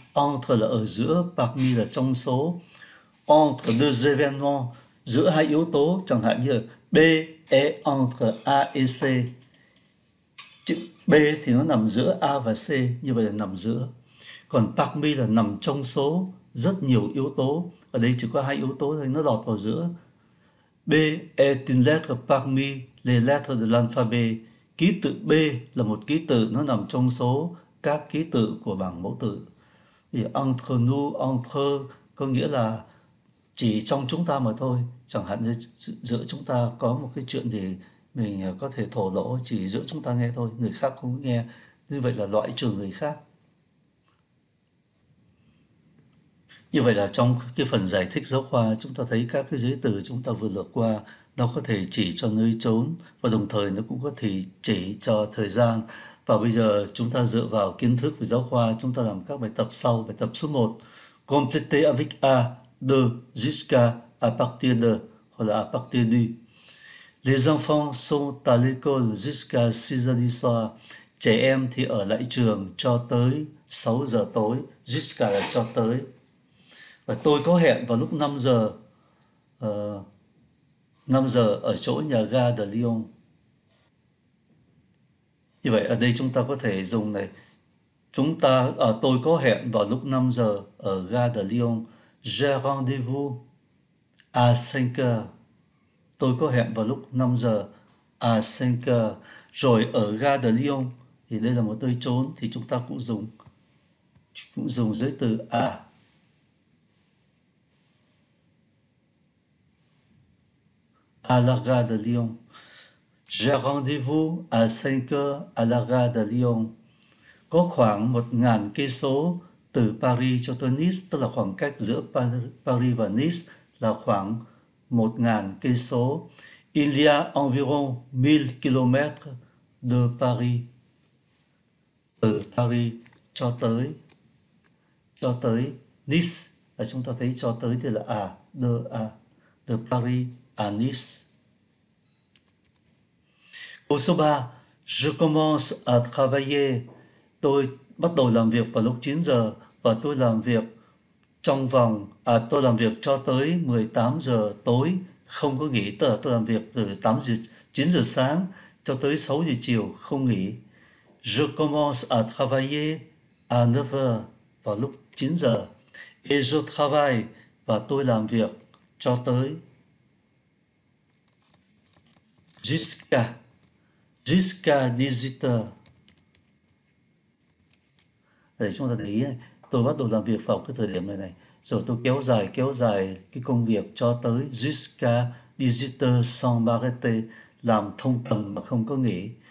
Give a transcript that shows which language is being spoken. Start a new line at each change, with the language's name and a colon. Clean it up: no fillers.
Vietnamese: Entre là ở giữa, parmi là trong số.
French: Entre deux événements,
Vietnamese: giữa hai yếu tố, chẳng hạn như
French: B et entre A et C.
Vietnamese: Chữ B thì nó nằm giữa A và C, như vậy là nằm giữa. Còn parmi là nằm trong số rất nhiều yếu tố. Ở đây chỉ có hai yếu tố thôi, nó lọt vào giữa.
French: B est une lettre parmi les lettres de l'alphabet.
Vietnamese: Ký tự B là một ký tự, nó nằm trong số các ký tự của bảng mẫu tự. Thì
French: entre nous,
Vietnamese: entre có nghĩa là chỉ trong chúng ta mà thôi. Chẳng hạn như giữa chúng ta có một cái chuyện gì mình có thể thổ lộ, chỉ giữa chúng ta nghe thôi, người khác không nghe. Như vậy là loại trừ người khác. Như vậy là trong cái phần giải thích giáo khoa, chúng ta thấy các cái giới từ chúng ta vừa lướt qua, nó có thể chỉ cho nơi chốn và đồng thời nó cũng có thể chỉ cho thời gian. Và bây giờ chúng ta dựa vào kiến thức về giáo khoa, chúng ta làm các bài tập sau. Bài tập số 1:
French: Complétez avec A, de, jusqu'à, à partir de,
Vietnamese: hoặc là
French: à partir du. Les enfants sont à l'école jusqu'à 6h du soir.
Vietnamese: Trẻ em thì ở lại trường cho tới 6 giờ tối. Jusqu'à là cho tới. Và tôi có hẹn vào lúc 5 giờ. 5 giờ ở chỗ nhà ga de Lyon. Như vậy ở đây chúng ta có thể dùng này. Chúng ta ở tôi có hẹn vào lúc 5 giờ ở ga de Lyon.
French: J'ai rendez-vous à 5 giờ.
Vietnamese: Tôi có hẹn vào lúc 5 giờ à 5 giờ. Rồi ở ga de Lyon thì đây là một nơi trốn thì chúng ta cũng dùng giới từ à.
French: À la gare de Lyon. J'ai rendez-vous à 5 heures à la gare de Lyon.
Vietnamese: Có khoảng 1.000 cây số từ Paris cho tới Nice, tức là khoảng cách giữa Paris và Nice là khoảng 1.000 cây số.
French: Il y a environ 1.000 km de Paris.
Vietnamese: Từ Paris cho tới Nice, là chúng ta thấy cho tới thì là de Paris à Nice. Câu số 3,
French: je commence à travailler.
Vietnamese: Tôi bắt đầu làm việc vào lúc 9 giờ và tôi làm việc trong vòng à tôi làm việc cho tới 18 giờ tối, không có nghỉ. Tức là tôi làm việc từ 8 giờ 9 giờ sáng cho tới 6 giờ chiều không nghỉ.
French: Je commence à travailler à 9 giờ,
Vietnamese: vào lúc 9 giờ.
French: Et je travaille,
Vietnamese: và tôi làm việc cho tới jusqu'à 18 giờ. Để chúng ta để ý này, tôi bắt đầu làm việc vào cái thời điểm này này, rồi tôi kéo dài cái công việc cho tới jusqu'à 18 giờ
French: sans m'arrêter,
Vietnamese: làm thông tầm mà không có nghỉ.